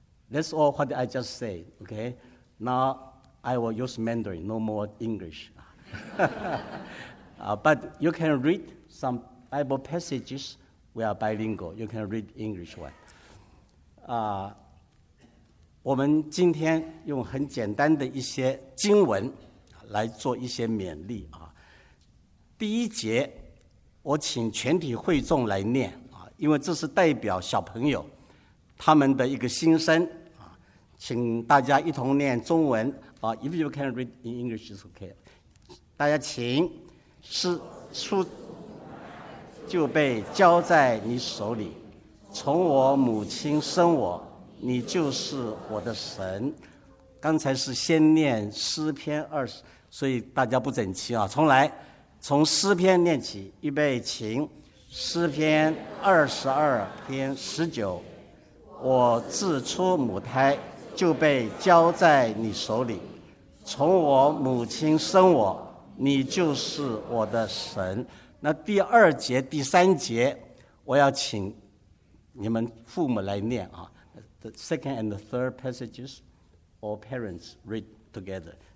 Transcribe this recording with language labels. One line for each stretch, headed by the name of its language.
English: That's all what I just say, okay? Now I will use Mandarin, no more English. but you can read some Bible passages. We are bilingual, you can read English one.
Chinese: 我们今天用很简单的一些经文来做一些勉励啊。第一节我请全体会众来念，因为这是代表小朋友他们的一个心声，请大家一同念中文。
English: If you can read in English, it's okay.
Chinese: 大家请，是书就被交在你手里，从我母亲生我，你就是我的神。刚才是先念诗篇二十，所以大家不整齐啊，重来，从诗篇念起，预备，请。诗篇二十二篇十九，我自出母胎就被交在你手里，从我母亲生我，你就是我的神。那第二节、第三节，我要请你们父母来念啊。
English: The second and the third passages, all parents read together.